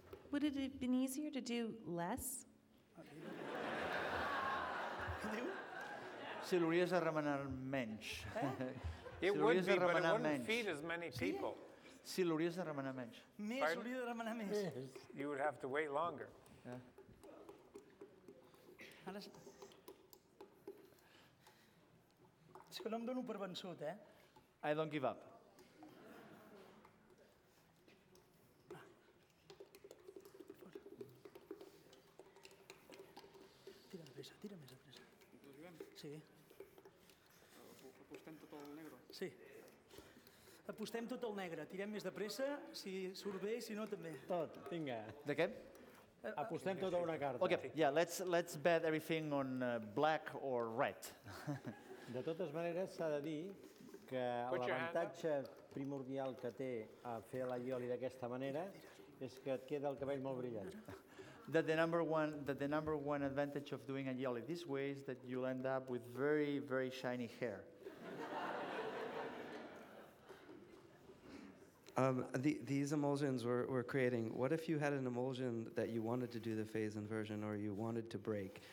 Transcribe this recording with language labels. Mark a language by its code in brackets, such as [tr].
[en] Would it have been easier to do less? [ca] Si l'hauries de remenar menys. [en] It would be, but it wouldn't feed as many people. [ca] Sí, l'hauries de remenar menys. Més, l'hauries de remenar més. [en] Yes. You would have to wait longer. [ca] Ara és... És que no em dono per vençut, eh? [en] I don't give up. [ca] Tira més de pressa. Sí. Apostem tot el negre? Sí. Apostem tot el negre, tirem més de pressa, si surt bé, si no, també. Tot, vinga. De què? Apostem tota una carta. [en] Okay, yeah, let's bet everything on black or red. [ca] De totes maneres, s'ha de dir que l'avantatge primordial que té a fer l'allioli d'aquesta manera és que et queda el cabell molt brillant. [en] That the number one advantage of doing allioli this way is that you'll end up with very, very shiny hair. These emulsions we're creating, what if you had an emulsion that you wanted to do the phase inversion or you wanted to break?